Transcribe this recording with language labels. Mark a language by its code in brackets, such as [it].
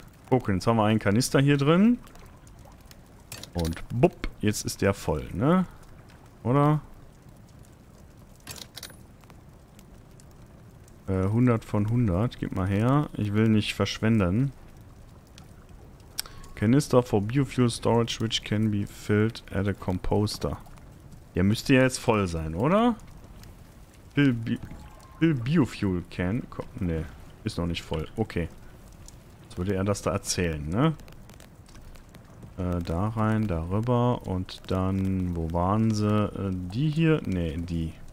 [de] Okay, jetzt haben wir einen Kanister hier drin. Und bupp, jetzt ist der voll, ne? Oder? 100 von 100, gib mal her. Ich will nicht verschwenden. [en] Canister for biofuel storage which can be filled at a composter. [de] Der müsste ja jetzt voll sein, oder? [en] Fill biofuel can. [de] Ne, ist noch nicht voll. Okay. Jetzt würde er das da erzählen, ne? Da rein, darüber und dann, wo waren sie? Die hier? Ne, die.